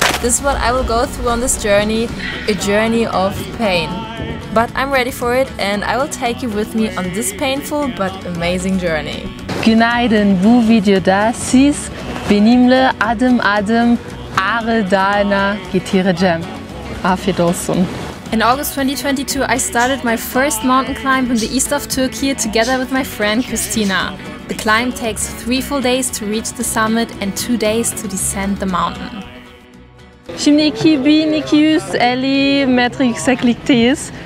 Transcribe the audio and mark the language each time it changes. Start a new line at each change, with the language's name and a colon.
English: This is what I will go through on this journey, a journey of pain. But I'm ready for it and I will take you with me on this painful but amazing journey.
Turkish: Günaydın, bu videoda siz benimle adım adım Ağrı Dağı'na getireceğim. Afiyet olsun.
English: In August 2022, I started my first mountain climb in the east of Turkey together with my friend Christina. The climb takes 3 full days to reach the summit and 2 days to descend the mountain.
Turkish: Şimdi 2250 metre yükseklikteyiz.